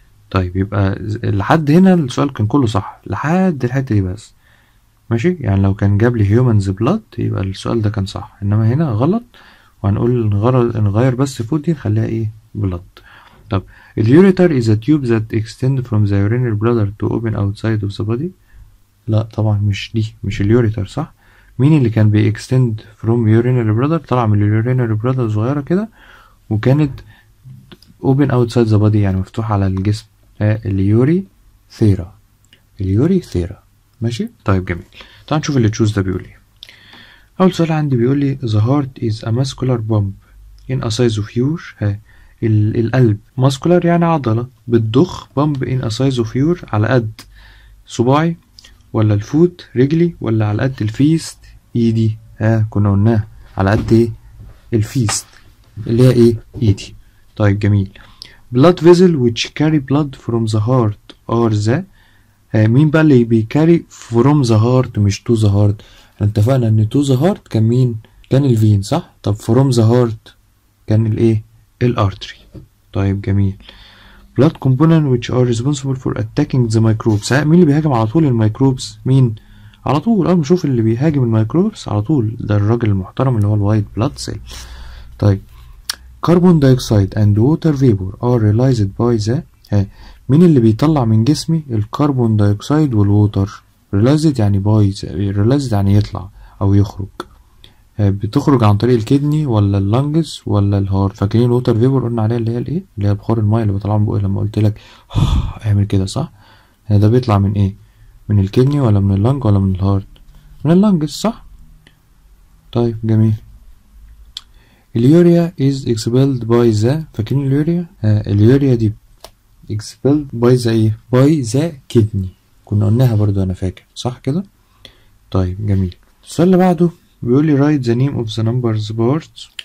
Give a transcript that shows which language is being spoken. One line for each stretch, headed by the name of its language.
Arabic: طيب يبقى لحد هنا السؤال كان كله صح لحد الحته دي بس. ماشي. يعني لو كان جاب لي هيومنز بلاد يبقى السؤال ده كان صح, انما هنا غلط وهنقول نغير بس فود دي نخليها ايه بلاد.
English: طب اليوريتر is a tube that extends from the urinary bladder to open outside of the body.
Arabic: لا طبعا مش دي, مش اليوريتر صح. مين اللي كان بي extend from urinary bladder, طلع من urinary bladder صغيرة كده وكانت
English: open outside the body
Arabic: يعني مفتوح على الجسم. اليوري ثيرا. اليوري ثيرا. ماشي. طيب جميل. تعال نشوف اللي تشوز ده بيقول ايه. اول سؤال عندي بيقول لي
English: the heart is a muscular pump in a size of your.
Arabic: ها القلب muscular يعني عضلة, بتضخ بامب in a size of your على قد صباعي ولا الفوت رجلي ولا على قد الفيست ايدي. ها كنا قلناها على قد ايه الفيست اللي هي ايه ايدي.
English: طيب جميل. blood vessel which carry blood from the heart or the.
Arabic: مين بقى اللي بي carry from the heart مش to the heart. اتفقنا ان to the heart كان مين, كان الفين صح. طب
English: from the heart
Arabic: كان الايه الارتري. طيب جميل.
English: blood component which are responsible for attacking the microbes.
Arabic: ها مين اللي بيهاجم على طول الميكروبس, مين على طول. اول ما اشوف اللي بيهاجم الميكروبس على طول ده الراجل المحترم اللي هو الوايت بلاد سيل.
English: طيب carbon dioxide and water vapor are released by the.
Arabic: ها مين اللي بيطلع من جسمي الكربون دايوكسيد والووتر. released يعني باي, released يعني يطلع او يخرج. بتخرج عن طريق الكدني ولا اللنجز ولا الهار. فاكرين الووتر فيبر قلنا عليها اللي هي الايه اللي هي بخار الماء اللي بيطلع من بقى لما قلت لك اعمل كده صح. ده بيطلع من ايه, من الكدني ولا من اللنج ولا من الهار. من اللنجز صح. طيب جميل.
English: اليوريا is expelled by the.
Arabic: فاكرين اليوريا. اليوريا دي expelled by the ايه, by the kidney كنا قلناها برضو انا فاكر صح كده. طيب جميل. السؤال اللي بعده بيقول لي
English: write the name of the numbers parts.